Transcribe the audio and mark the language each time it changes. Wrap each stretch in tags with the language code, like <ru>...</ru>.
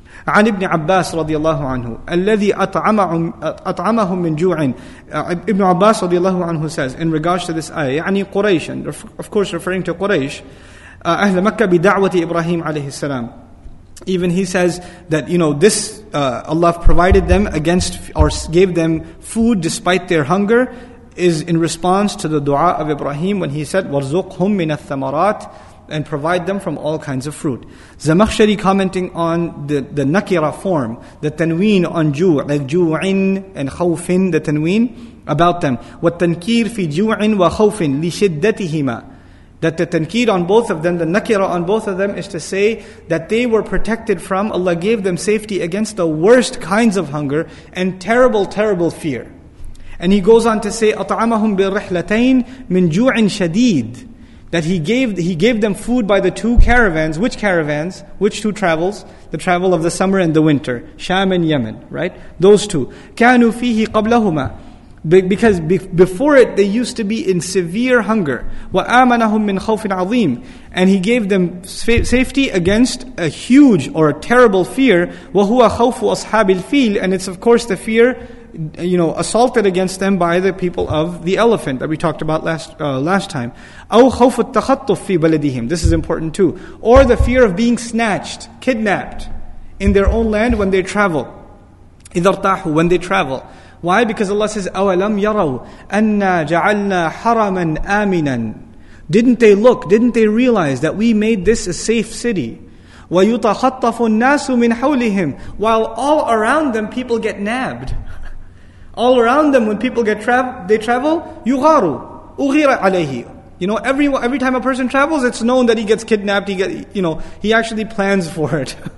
<ar>عن ابن عباس رضي الله عنه الذي أطعمه من جوع.</ar> <en>Ibn Abbas</en> <ar>رضي الله عنه</ar> <en>says in regards to this ayah,</en> <ar>يعني قريش,</ar> <en>and of course referring to قريش,</en> <ar>أهل مكة بدعوة إبراهيم عليه السلام.</ar> <en>Even he says that, you know, this Allah provided them against, or gave them food despite their hunger, is in response to the dua of Ibrahim when he said,</en> <ar>وَرْزُقْهُمْ مِنَ الثَّمَرَاتِ,</ar> <en>and provide them from all kinds of fruit. Zamakhshari commenting on the nakira form, the tanween on ju', like ju'in and khawfin, the tanween about them.</en> <ar>وَالتَّنْكِيرْ فِي ju'in وَخَوْفٍ لِشِدَّتِهِمَا.</ar> <en>That the tanqeed on both of them, the nakira on both of them, is to say that they were protected from, Allah gave them safety against the worst kinds of hunger and terrible, terrible fear. And he goes on to say,</en> <ar>أَطْعَمَهُمْ بِالرِّحْلَتَيْنِ مِنْ جُوعٍ شَدِيدٍ.</ar> <en>That he gave them food by the two caravans. Which caravans? Which two travels? The travel of the summer and the winter. Sham and Yemen, right? Those two.</en> <ar>كَانُوا فِيهِ قَبْلَهُمَا.</ar> <en>Because before it, they used to be in severe hunger.</en> <ar>وَآمَنَهُمْ مِنْ خَوْفٍ عَظِيمٍ.</ar> <en>And he gave them safety against a huge or a terrible fear.</en> <ar>وَهُوَ خَوْفُ أَصْحَابِ الْفِيلِ.</ar> <en>And it's of course the fear, you know, assaulted against them by the people of the elephant that we talked about last time.</en> <ar>أَوْ خَوْفُ التَّخَطُّفِ فِي بَلَدِهِمْ.</ar> <en>This is important too. Or the fear of being snatched, kidnapped in their own land when they travel.</en> <ar>إِذَا ارْتَاحُوا.</ar> <en>When they travel. Why? Because Allah says,</en> <ar>أَوَلَمْ يَرَوْا أَنَّا جَعَلْنَا حَرَمًا آمِنًا.</ar> <en>Didn't they look, didn't they realize that we made this a safe city?</en> <ar>وَيُتَخَطَّفُ النَّاسُ مِنْ حَوْلِهِمْ.</ar> <en>While all around them people get nabbed. All around them when people get they travel,</en> <ar>يُغَارُ أُغِيرَ عَلَيْهِ.</ar> <en>You know, every time a person travels, it's known that he gets kidnapped, he actually plans for it.</en>